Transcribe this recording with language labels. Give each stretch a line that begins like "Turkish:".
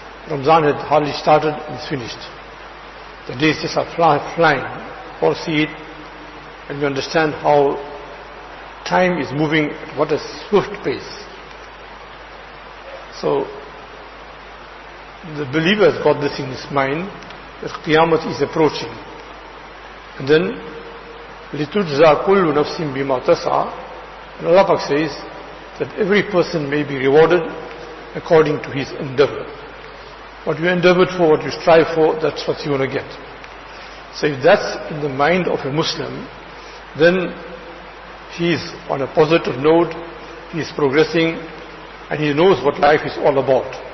English: Ramzan had hardly started and it's finished. The days just are flying. All see it and you understand how time is moving at what a swift pace. So the believer has got this in his mind that Qiyamah is approaching. And then
Arabic: لِتُجْزَى كُلُّ نَفْسٍ بِمَا تَسْعَى.
English: And Allah Pak says that every person may be rewarded according to his endeavor. What you endeavored for, what you strive for, that's what you're going to get. So if that's in the mind of a Muslim, then he's on a positive note, he's progressing, and he knows what life is all about.